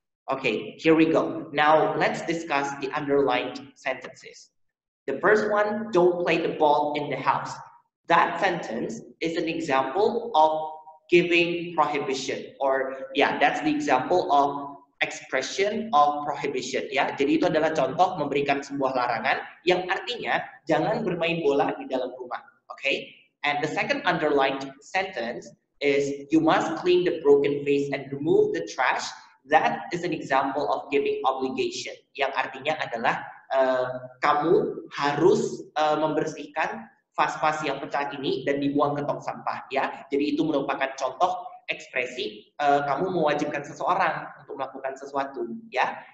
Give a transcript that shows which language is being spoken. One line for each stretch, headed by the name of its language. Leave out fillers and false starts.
English: Okay, here we go. Now let's discuss the underlined sentences. The first one, don't play the ball in the house. That sentence is an example of giving prohibition, or yeah, that's the example of expression of prohibition, ya.
Indonesian: Jadi itu adalah contoh memberikan sebuah larangan yang artinya jangan bermain bola di dalam rumah, okay?
English: And the second underlined sentence is you must clean the broken vase and remove the trash. That is an example of giving obligation,
Indonesian: yang artinya adalah kamu harus membersihkan vas-vas yang pecah ini dan dibuang ke tong sampah, ya. Jadi itu merupakan contoh ekspresi kamu mewajibkan seseorang untuk melakukan sesuatu, ya.